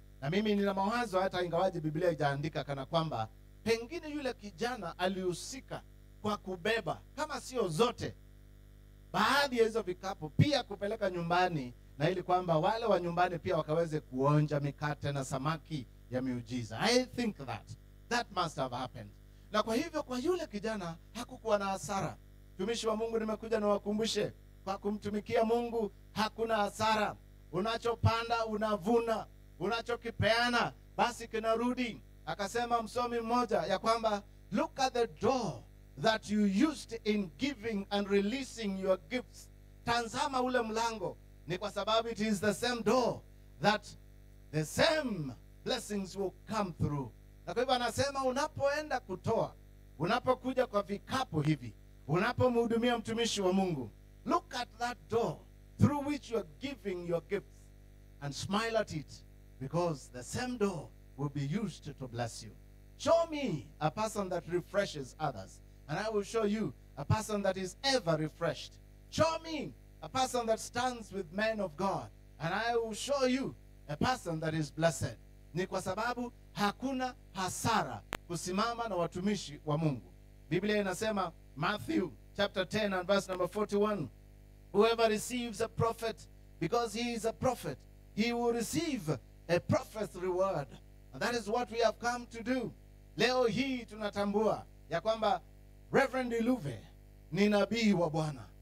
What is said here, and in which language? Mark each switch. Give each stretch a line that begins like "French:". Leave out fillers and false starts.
Swahili: Na mimi nina mawazo, hata ingawaje Biblia haijaandika, kana kwamba pengine yule kijana alihusika kwa kubeba, kama sio zote, baadhi ya hizo vikapu pia kupeleka nyumbani, na ili kwamba wale wa nyumbani pia wakaweze kuonja mikate na samaki ya miujiza.
English: I think that must have happened.
Swahili: Na kwa hivyo kwa yule kijana hakukuwa na hasara. Tumishi wa Mungu, nimekuja na wakumbushe, kwa kumtumikia Mungu hakuna hasara. Unachopanda unavuna, unachokipeana basi kinarudi. Akasema msomi mmoja ya kwamba,
English: look at the door that you used in giving and releasing your gifts.
Swahili: Tanzama ule mlango, ni kwa sababu
English: it is the same door that the same blessings will come through.
Swahili: Na kwa hivyo anasema unapoenda kutoa, unapokuja kwa vikapu hivi, unapomhudumia mtumishi wa Mungu,
English: look at that door through which you are giving your gifts and smile at it, because the same door will be used to bless you. Show me a person that refreshes others, and I will show you a person that is ever refreshed. Show me a person that stands with men of God, and I will show you a person that is blessed.
Swahili: Ni kwa sababu hakuna hasara kusimama na watumishi wa Mungu. Biblia inasema
English: Matthew chapter 10 and verse number 41. Whoever receives a prophet because he is a prophet, he will receive a prophet's reward. And that is what we have come to do.
Swahili: Leo hii tunatambua ya kwamba Reverend Iluve ni nabii wa Bwana.